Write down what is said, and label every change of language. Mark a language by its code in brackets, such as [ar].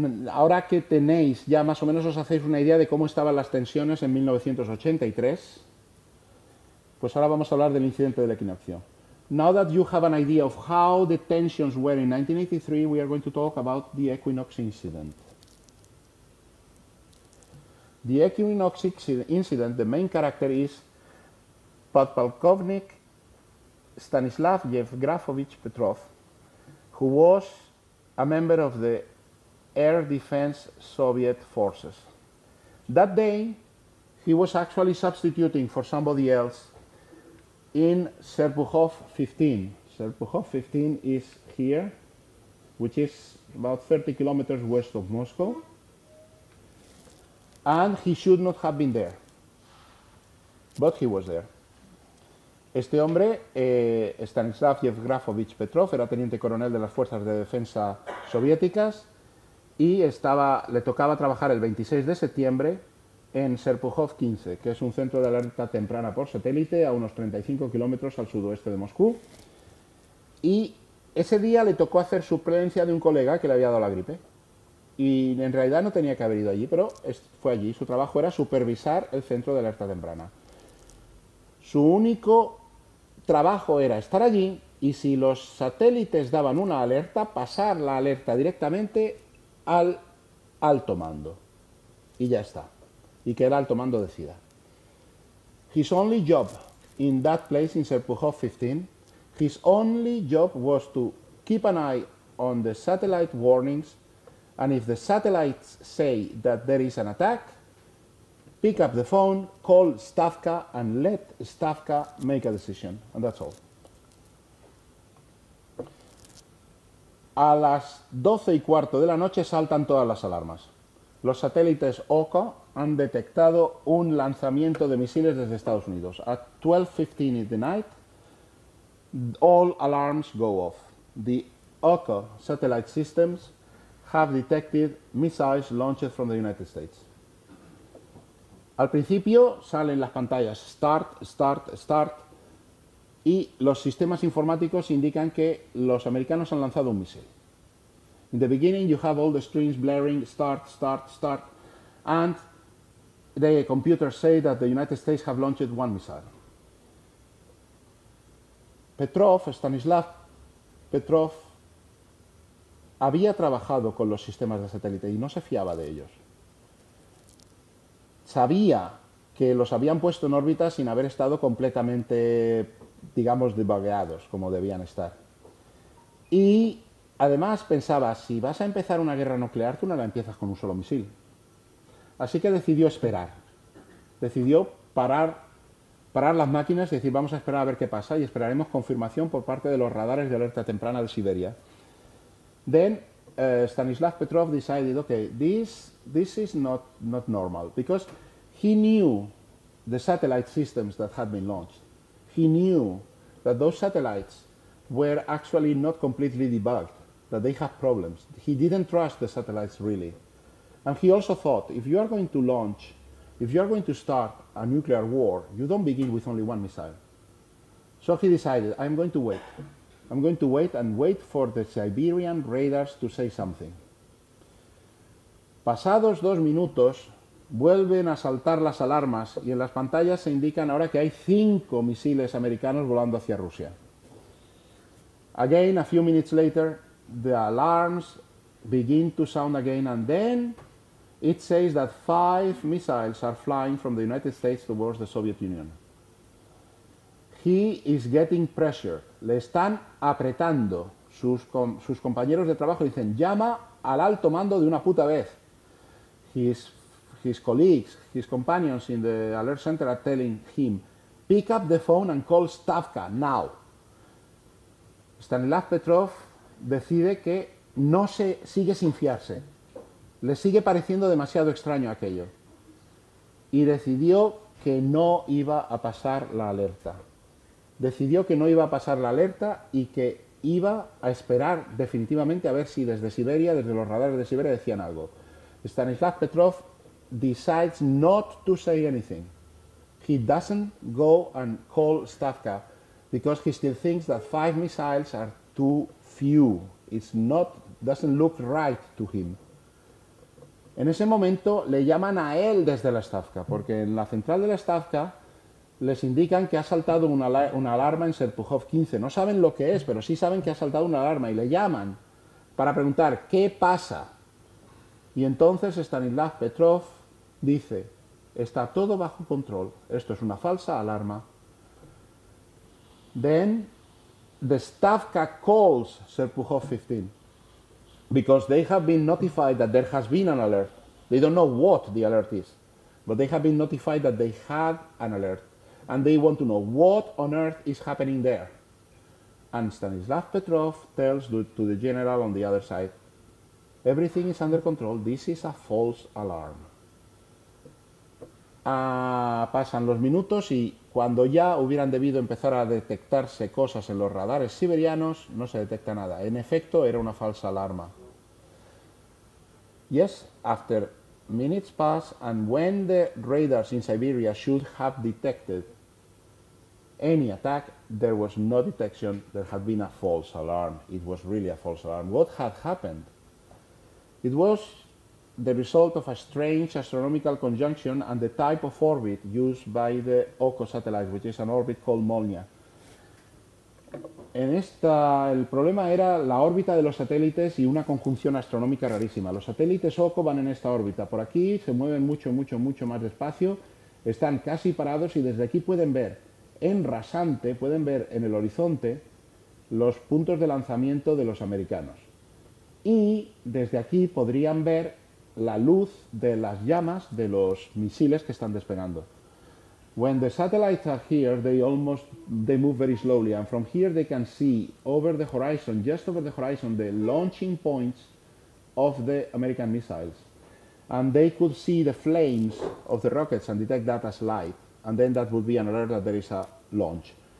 [es] Ahora que tenéis, ya más o menos os hacéis una idea de cómo estaban las tensiones en 1983, pues ahora vamos a hablar del incidente del equinoccio. [en] Now that you have an idea of how the tensions were in 1983, we are going to talk about the equinox incident. The equinox incident, the main character is Podpolkovnik Stanislav Yevgrafovich Petrov, who was a member of the Air Defense Soviet Forces. That day, he was actually substituting for somebody else in Serpukhov 15. Serpukhov 15 is here, which is about 30 kilometers west of Moscow, and he should not have been there, but he was there. [es] Este hombre, Stanislav Yevgrafovich Petrov, era teniente coronel de las Fuerzas de Defensa Soviéticas y le tocaba trabajar el 26 de septiembre en Serpukhov 15, que es un centro de alerta temprana por satélite a unos 35 kilómetros al sudoeste de Moscú. Y ese día le tocó hacer suplencia de un colega que le había dado la gripe. Y en realidad no tenía que haber ido allí, pero fue allí. Su trabajo era supervisar el centro de alerta temprana. Su único trabajo era estar allí y si los satélites daban una alerta, pasar la alerta directamente al alto mando. Y ya está. Y que el alto mando decida. [en] His only job in that place, in Serpukhov 15, his only job was to keep an eye on the satellite warnings and if the satellites say that there is an attack, pick up the phone, call Stavka, and let Stavka make a decision. And that's all. [es] A las 12 y cuarto de la noche saltan todas las alarmas. Los satélites OCO han detectado un lanzamiento de misiles desde Estados Unidos. [en] At 12:15 in the night, all alarms go off. The OCO satellite systems have detected missiles launched from the United States. [es] Al principio salen las pantallas start, start, start y los sistemas informáticos indican que los americanos han lanzado un misil. [en] In the beginning you have all the screens blaring start, start, start and the computers say that the United States have launched one missile. [es] Stanislav Petrov había trabajado con los sistemas de satélite y no se fiaba de ellos. Sabía que los habían puesto en órbita sin haber estado completamente, digamos, debugueados, como debían estar. Y además pensaba, si vas a empezar una guerra nuclear, tú no la empiezas con un solo misil. Así que decidió esperar. Decidió parar las máquinas y decir, vamos a esperar a ver qué pasa y esperaremos confirmación por parte de los radares de alerta temprana de Siberia. [en] Then, Stanislav Petrov decided, okay, this is not normal because he knew the satellite systems that had been launched. He knew that those satellites were actually not completely debugged, that they have problems. He didn't trust the satellites really. And he also thought, if you are going to start a nuclear war, you don't begin with only one missile. So he decided, I'm going to wait. I'm going to wait and wait for the Siberian radars to say something. [es] Pasados dos minutos, vuelven a saltar las alarmas y en las pantallas se indican ahora que hay 5 misiles americanos volando hacia Rusia. [en] Again, a few minutes later, the alarms begin to sound again, and then it says that 5 missiles are flying from the United States towards the Soviet Union. He is getting pressure. [es] Le están apretando. Sus compañeros de trabajo dicen, llama al alto mando de una puta vez. [en] His colleagues, his companions in the alert center are telling him, pick up the phone and call Stavka now. [es] Stanislav Petrov decide que no se sigue sin fiarse. Le sigue pareciendo demasiado extraño aquello. Y decidió que no iba a pasar la alerta. Decidió que no iba a pasar la alerta y que iba a esperar definitivamente a ver si desde Siberia, desde los radares de Siberia, decían algo. [en] Stanislav Petrov decides not to say anything. He doesn't go and call Stavka because he still thinks that 5 missiles are too few. Doesn't look right to him. [es] En ese momento le llaman a él desde la Stavka, porque en la central de la Stavka les indican que ha saltado una alarma en Serpukhov 15. No saben lo que es, pero sí saben que ha saltado una alarma y le llaman para preguntar qué pasa. Y entonces Stanislav Petrov dice, está todo bajo control, esto es una falsa alarma. [en] Then the Stavka calls Serpukhov 15. Because they have been notified that there has been an alert. They don't know what the alert is, but they have been notified that they had an alert. And they want to know what on earth is happening there. And Stanislav Petrov tells to the general on the other side, everything is under control. This is a false alarm. [es] Pasan los minutos y cuando ya hubieran debido empezar a detectarse cosas en los radares siberianos, no se detecta nada. En efecto, era una falsa alarma. [en] Yes, after minutes pass and when the radars in Siberia should have detected any attack, there was no detection. There had been a false alarm. It was really a false alarm. What had happened? It was the result of a strange astronomical conjunction and the type of orbit used by the OCO satellite, which is an orbit called Molniya. [es] El problema era la órbita de los satélites y una conjunción astronómica rarísima. Los satélites OCO van en esta órbita. Por aquí se mueven mucho, mucho, mucho más despacio. Están casi parados y desde aquí pueden ver en rasante, pueden ver en el horizonte los puntos de lanzamiento de los americanos. Y desde aquí podrían ver la luz de las llamas de los misiles que están despegando. [en] When the satellites are here, they move very slowly, and from here they can see over the horizon, just over the horizon, the launching points of the American missiles. And they could see the flames of the rockets and detect that as light, and then that would be an alert that there is a launch.